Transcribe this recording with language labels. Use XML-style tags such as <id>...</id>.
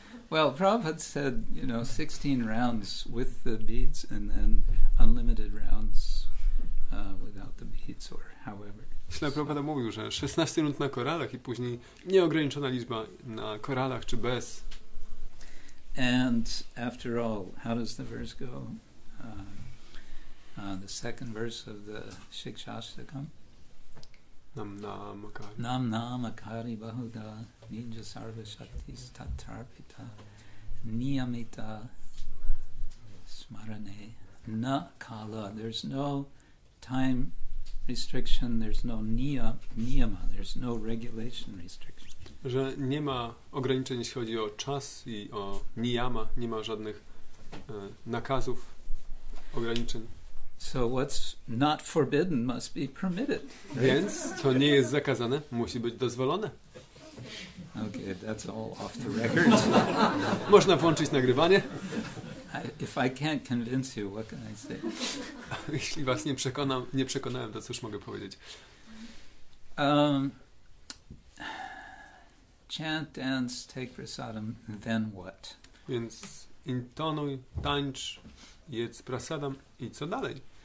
<en>Well, Prabhupada said, you know, 16 rounds with the beads and then unlimited rounds without the beads or however.</en> <pl>Śla Prabhupada mówił, że 16 rund na koralach i później nieograniczona liczba na koralach czy bez.</pl> <en>And after all, how does the verse go? The second verse of the Shikshashtakam.</en> <sa>Nam nam akari. Nam nam akari bahuda ninja sarva shaktis tatarpita niyamita smarane na kala.</sa> <en>There's no time restriction, there's no niyama, there's no regulation restriction.</en> <pl>Że nie ma ograniczeń, jeśli chodzi o czas i o niyama, nie ma żadnych nakazów, ograniczeń.</pl> <en>So what's not forbidden must be permitted. Right?</en> <pl>Więc co nie jest zakazane, musi być dozwolone.</pl> <en>Okay, that's all off the record.</en> <pl>Można włączyć nagrywanie.</pl> <en>If I can't convince you, what can I say?</en> <pl>Jeśli was nie przekonam, nie przekonałem, to cóż mogę powiedzieć?</pl> <en>Chant, dance, take prasadam, then what?</en> <pl>Więc intonuj, tańcz, jedz prasadam i co dalej?</pl>